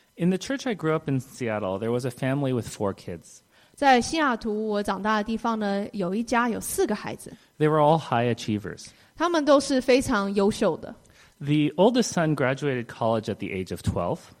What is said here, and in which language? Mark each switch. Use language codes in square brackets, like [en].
[en] In the church I grew up in Seattle, there was a family with 4 kids. [zh] 在西雅图我长大的地方呢，有一家有四个孩子。 [en] They were all high achievers. [zh] 他们都是非常优秀的。 [en] The oldest son graduated college at the age of 12.